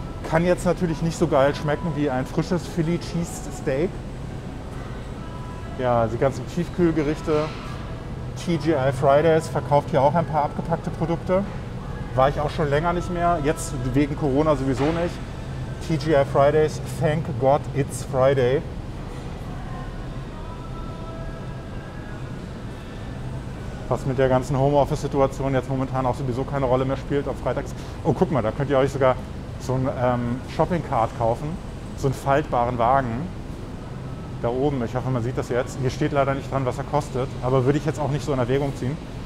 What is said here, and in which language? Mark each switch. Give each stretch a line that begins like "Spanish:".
German: Kann jetzt natürlich nicht so geil schmecken wie ein frisches Philly Cheese Steak. Ja, die ganzen Tiefkühlgerichte. TGI Fridays verkauft hier auch ein paar abgepackte Produkte. War ich auch schon länger nicht mehr. Jetzt wegen Corona sowieso nicht.
English: TGI Fridays, thank God it's Friday.
German: Was mit der ganzen Homeoffice-Situation jetzt momentan auch sowieso keine Rolle mehr spielt auf Freitags. Oh, guck mal, da könnt ihr euch sogar so ein Shopping-Cart kaufen, so einen faltbaren Wagen. da oben. Ich hoffe, man sieht das jetzt. Hier steht leider nicht dran, was er kostet, aber würde ich jetzt auch nicht so in Erwägung ziehen.